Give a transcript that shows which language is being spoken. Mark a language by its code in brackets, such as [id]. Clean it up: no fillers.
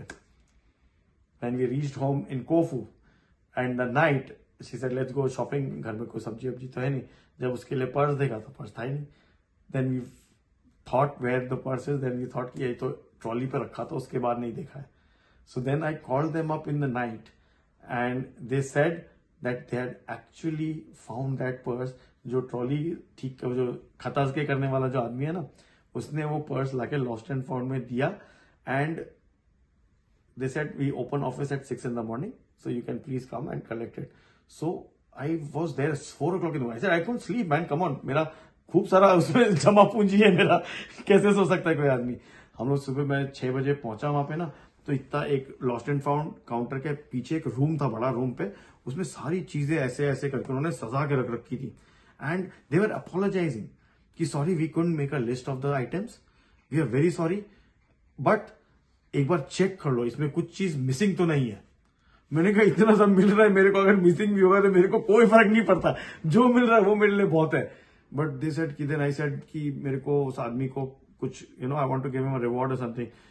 [en] When we reached home in Corfu and the night she said let's go shopping. [hi] घर में कोई सब्जी वब्जी तो है नहीं. जब उसके लिए पर्स देखा तो पर्स था ही नहीं. [en] Then we thought where the purse is. Then we thought [hi] कि ये तो ट्रॉली पे रखा था उसके बाद नहीं देखा है. [en] So then I called them up in the night and they said that they had actually found that purse. [hi] जो ट्रॉली ठीक जो खताज के करने वाला जो आदमी है ना उसने वो पर्स लाके लॉस्ट एंड फाउंड में दिया [en] And they said we open office at 6 in the morning so you can please come and collect it. So I was there 4 o'clock in the morning. I can't sleep man come on. [hi] मेरा खूब सारा उसमें जमा पूंजी है मेरा कैसे सो सकता है कोई आदमी. हम लोग सुबह मैं 6 बजे पहुंचा वहां पे ना तो इतना एक लॉस्ट एंड फाउंड काउंटर के पीछे एक रूम था बड़ा रूम पे उसमें सारी चीजें ऐसे ऐसे करके उन्होंने सजा के रख रखी थी. [en] And they were apologizing कि sorry we couldn't make a list of the items, we are very sorry, but [hi] एक बार check कर लो इसमें कुछ चीज missing तो नहीं है. मैंने कहा इतना सब मिल रहा है मेरे को अगर missing भी होगा तो मेरे को कोई फर्क नहीं पड़ता जो मिल रहा है वो मेरे लिए बहुत है. [en] But they said कि then I said कि [hi] मेरे को उस आदमी को कुछ [en] you know I want to give him a reward or something.